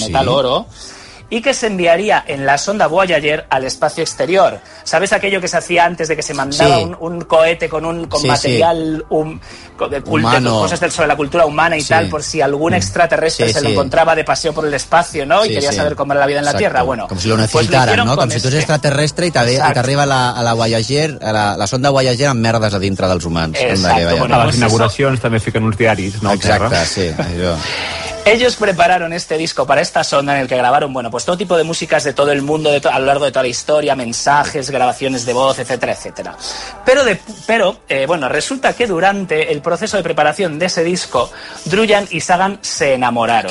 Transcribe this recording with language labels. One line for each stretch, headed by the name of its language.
Spanish: De metal oro, y que se enviaría en la sonda Voyager al espacio exterior. ¿Sabes aquello que se hacía antes de que se mandaba un cohete con material cosas sobre la cultura humana y tal, por si algún extraterrestre se lo encontraba de paseo por el espacio, ¿no? Y quería saber cómo era la vida en la Tierra. Bueno, como si lo necesitaran, pues lo hicieron, ¿no? Si tú eres extraterrestre y te arriba a la Voyager, a la sonda Voyager
Catalan: amb merdes a dintre dels humans. Les inauguracions també fiquen uns diaris, no? Exacte, sí.
Spanish: Ellos prepararon este disco para esta sonda en el que grabaron, bueno, pues todo tipo de músicas de todo el mundo, a lo largo de toda la historia, mensajes, grabaciones de voz, etcétera, etcétera. Pero resulta que durante el proceso de preparación de ese disco, Druyan y Sagan se enamoraron.